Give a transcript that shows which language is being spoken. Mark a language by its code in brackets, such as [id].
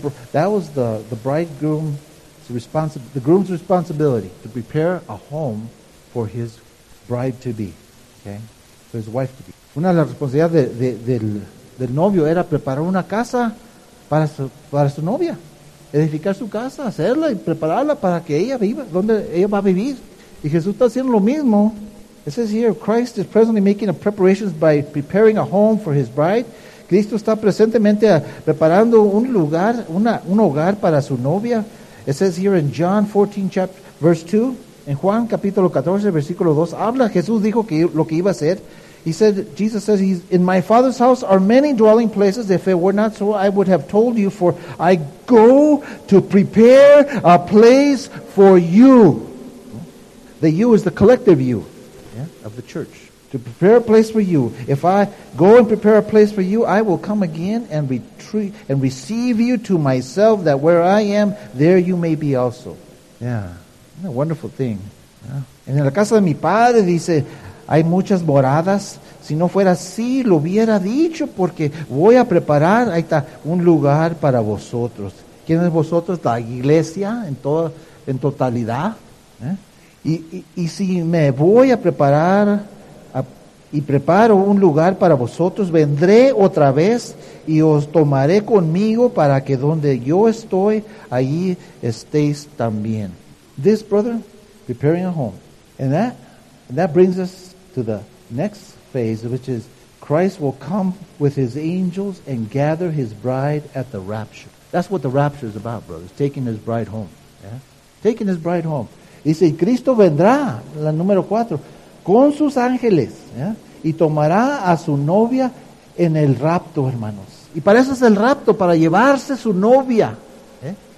[en] That was the bridegroom's responsibility, the groom's responsibility, to prepare a home for his bride to be, okay, for his wife to be. [es] Una de las responsabilidades del novio era preparar una casa para su novia, edificar su casa, hacerla y prepararla para que ella viva, donde ella va a vivir. Y Jesús está haciendo lo mismo. [en] It says here, Christ is presently making a preparations by preparing a home for his bride. [es] Cristo está presentemente preparando un lugar, un hogar para su novia. [en] It says here in John 14, chapter, verse 2. [es] En Juan capítulo 14, versículo 2. Habla, Jesús dijo que lo que iba a hacer. [en] He said, Jesus says, in my Father's house are many dwelling places. If it were not so, I would have told you, for I go to prepare a place for you. The you is the collective you, yeah, of the church. To prepare a place for you. If I go and prepare a place for you, I will come again and receive you to myself, that where I am, there you may be also. Yeah. Isn't that a wonderful thing? Yeah. [es] En la casa de mi padre, dice, hay muchas moradas. Si no fuera así, lo hubiera dicho, porque voy a preparar, ahí está, un lugar para vosotros. ¿Quién es vosotros? La iglesia en totalidad. Y si me voy a preparar, y preparo un lugar para vosotros, vendré otra vez y os tomaré conmigo, para que donde yo estoy, allí estéis también. [en] This, brother, preparing a home. And that brings us to the next phase, which is Christ will come with his angels and gather his bride at the rapture. That's what the rapture is about, brothers, taking his bride home. Yeah? Taking his bride home. [es] Y si Cristo vendrá, la número cuatro, con sus ángeles, ¿ya? Y tomará a su novia en el rapto, hermanos. Y para eso es el rapto, para llevarse su novia, ¿eh?